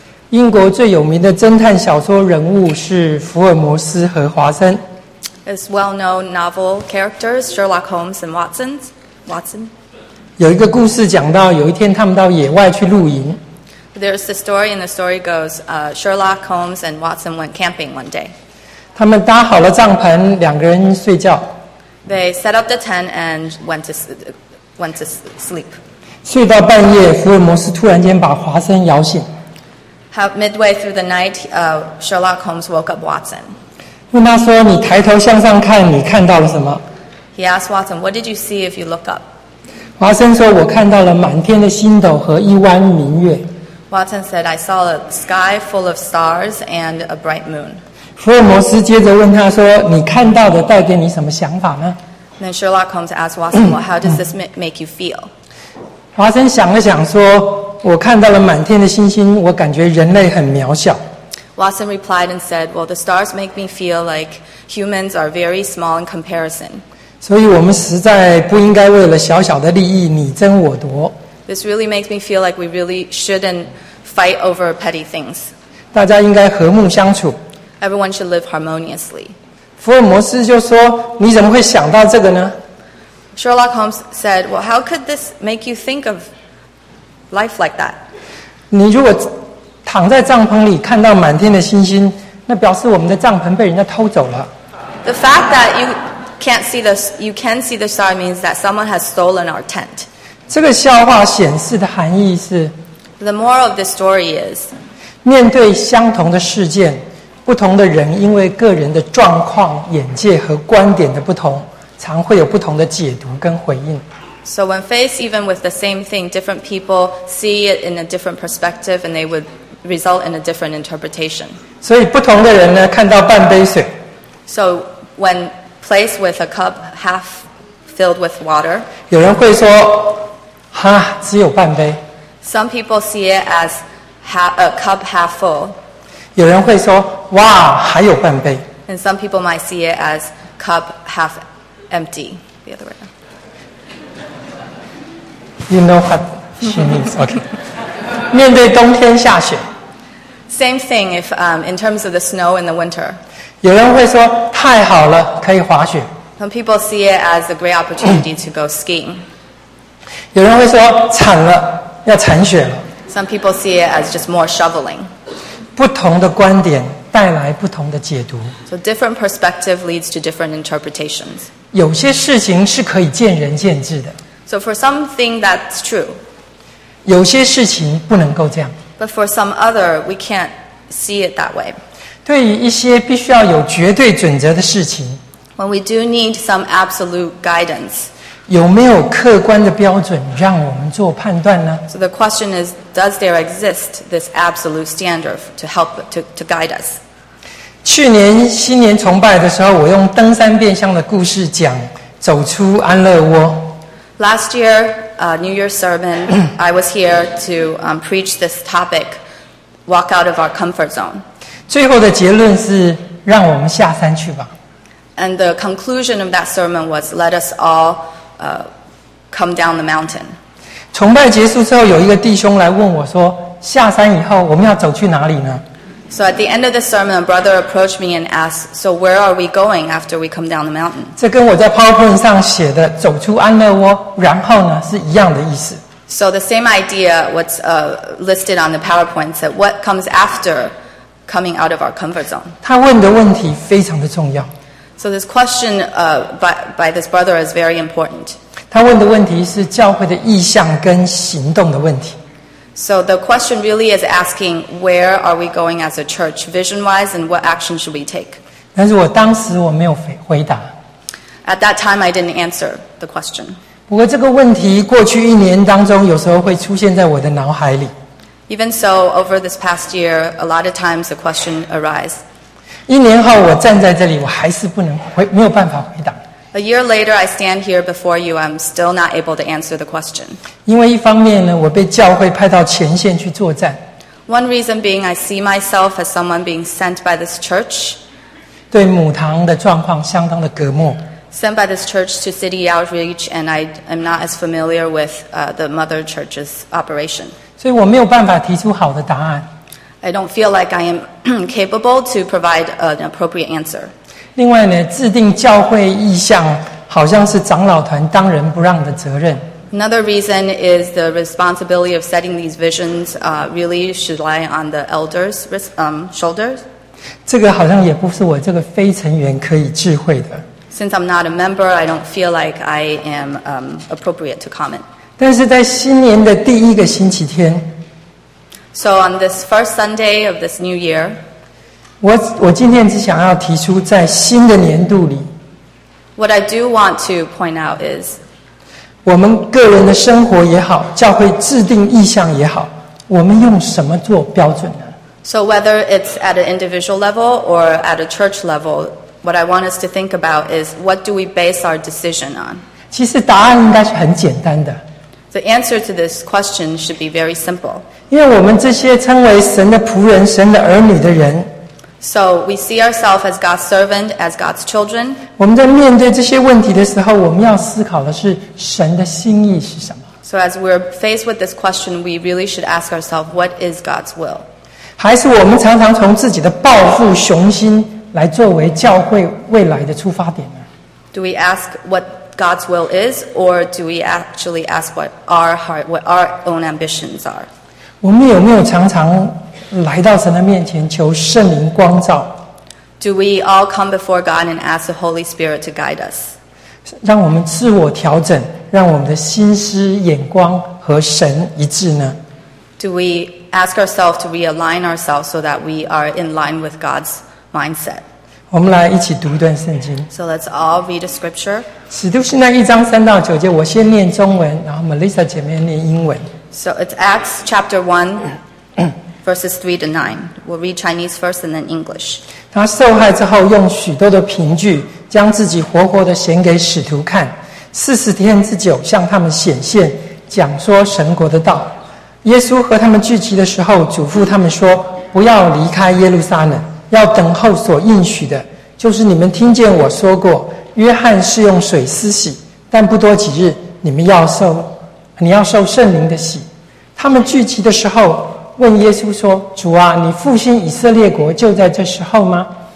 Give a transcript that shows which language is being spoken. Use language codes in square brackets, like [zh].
[zh] 英国最有名的侦探小说人物是福尔摩斯和华生。 [en] As well-known novel characters, Sherlock Holmes and Watson. Watson. [zh] 有一个故事讲到，有一天他们到野外去露营。 [en] There's the story, and the story goes, Sherlock Holmes and Watson went camping one day. [zh] 他们搭好了帐篷，两个人睡觉。 [en] They set up the tent and went to sleep. [zh] 睡到半夜，福尔摩斯突然间把华生摇醒。 [en] Midway through the night, Sherlock Holmes woke up Watson. [zh] 问他说：“你抬头向上看，你看到了什么？” [en] He asked Watson, "What did you see if you look up?" [zh] 华生说：“我看到了满天的星斗和一弯明月。” [en] Watson said, "I saw a sky full of stars and a bright moon." [zh] 福尔摩斯接着问他说：“你看到的带给你什么想法呢？” [en] Then Sherlock Holmes asked Watson, "Well, how does this make you feel?" [zh] 华生想了想说：“我看到了满天的星星，我感觉人类很渺小。” [en] Watson replied and said, "Well, the stars make me feel like humans are very small in comparison." [zh] 所以我们实在不应该为了小小的利益你争我夺。 [en] This really makes me feel like we really shouldn't fight over petty things. [zh] 大家应该和睦相处。 [en] Everyone should live harmoniously. [zh] 福尔摩斯就说：“你怎么会想到这个呢？” [en] Sherlock Holmes said, "Well, how could this make you think of life like that?" [zh] 你如果躺在帐篷里看到满天的星星，那表示我们的帐篷被人家偷走了。 [en] The fact that you can see the star means that someone has stolen our tent. [zh] 这个笑话显示的含义是 [en] ，The moral of the story is， [zh] 面对相同的事件，不同的人因为个人的状况、眼界和观点的不同。常会有不同的解读跟回应。 [en] So when faced even with the same thing, different people see it in a different perspective, and they would result in a different interpretation. [zh] 所以不同的人呢，看到半杯水。 [en] So when placed with a cup half filled with water, [zh] 有人会说，哈，只有半杯。 [en] Some people see it as a cup half full. [zh] 有人会说，哇，还有半杯。 [en] And some people might see it as cup half empty. Empty. The other way. You know what she means. Okay. [zh] 面对冬天下雪。 [en] Same thing. If in terms of the snow in the winter. [zh] 有人会说太好了，可以滑雪。 [en] Some people see it as a great opportunity to go skiing. [zh] 有人会说惨了，要铲雪了。 [en] Some people see it as just more shoveling. [zh] 不同的观点带来不同的解读。 [en] So different perspective leads to different interpretations. [zh] 有些事情是可以见仁见智的。 [en] So for something that's true. [zh] 有些事情不能够这样。 [en] But for some other, we can't see it that way. [zh] 对于一些必须要有绝对准则的事情。 [en] When we do need some absolute guidance. [zh] 有没有客观的标准让我们做判断呢？ [en] So the question is, does there exist this absolute standard to help to guide us? [zh] 去年新年崇拜的时候，我用登山变相的故事讲走出安乐窝。 [en] Last year, New Year's sermon, I was here to preach this topic, walk out of our comfort zone. [zh] 最后的结论是让我们下山去吧。 [en] And the conclusion of that sermon was, let us all come down the mountain. [zh] 崇拜结束之后，有一个弟兄来问我说，下山以后我们要走去哪里呢？ [en] So at the end of the sermon, a brother approached me and asked, "So where are we going after we come down the mountain?" [zh] 这跟我在 PowerPoint 上写的“走出安乐窝”，然后呢是一样的意思。 [en] So the same idea, what's listed on the PowerPoint, said what comes after coming out of our comfort zone. [zh] 他问的问题非常的重要。 [en] So this question by this brother is very important. [zh] 他问的问题是教会的意向跟行动的问题。 [en] So the question really is asking, where are we going as a church, vision-wise, and what action should we take? [zh] 但是我当时我没有回答。 [en] At that time, I didn't answer the question. [zh] 不过这个问题过去一年当中有时候会出现在我的脑海里。 [en] Even so, over this past year, a lot of times the question arises. [zh] 一年后我站在这里，我还是不能回，没有办法回答。 [en] A year later, I stand here before you. I'm still not able to answer the question. [zh] 因为一方面呢，我被教会派到前线去作战。 [en] One reason being, I see myself as someone being sent by this church. [zh] 对母堂的状况相当的隔膜。 [en] sent by this church to city outreach, and I am not as familiar with the mother church's operation. [zh] 所以我没有办法提出好的答案。 [en] I don't feel like I am capable to provide an appropriate answer. [zh] 另外呢，制定教会意向好像是长老团当仁不让的责任。 [en] Another reason is the responsibility of setting these visions really should lie on the elders' shoulders. [zh] 这个好像也不是我这个非成员可以智慧的。 [en] Since I'm not a member, I don't feel like I am appropriate to comment. [zh] 但是在新年的第一个星期天 [en] So on this first Sunday of this new year, [zh] 我今天只想要提出在新的年度里 [en] What I do want to point out is [zh] 我们个人的生活也好教会制定意向也好我们用什么做标准呢 [en] So whether it's at an individual level or at a church level,What I want us to think about is what do we base our decision on? [zh] 其实答案应该是很简单的。 [en] The answer to this question should be very simple. [zh] 因为我们这些称为神的仆人、神的儿女的人 [en] ，So we see ourselves as God's servant, as God's children. [zh] 我们在面对这些问题的时候，我们要思考的是神的心意是什么。 [en] So as we're faced with this question, we really should ask ourselves, what is God's will? [zh] 还是我们常常从自己的抱负、雄心？来作为教会未来的出发点呢 [en] Do we ask what God's will is, or do we actually ask what our heart, what our own ambitions are? [zh] 我们有没有常常来到神的面前求圣灵光照 [en] ？Do we all come before God and ask the Holy Spirit to guide us? [zh] 让我们自我调整，让我们的心思眼光和神一致呢 [en] ？Do we ask ourselves to realign ourselves so that we are in line with God's? Mindset. [zh] 我们来一起读一段圣经。 [en] So let's all read a scripture. [zh] 使徒行传一章三到九节，我先念中文，然后 Melissa 姐妹念英文。 [en] So it's Acts chapter 1, verses 3 to 9. We'll read Chinese first and then English. [zh] 他受害之后，用许多的凭据，将自己活活的显给使徒看，四十天之久，向他们显现，讲说神国的道。耶稣和他们聚集的时候，嘱咐他们说，不要离开耶路撒冷。要等候所应许的就是你们听见我说过约翰是用水施洗但不多几日你要受圣灵的洗他们聚集的时候问耶稣说主啊你复兴以色列国就在这时候吗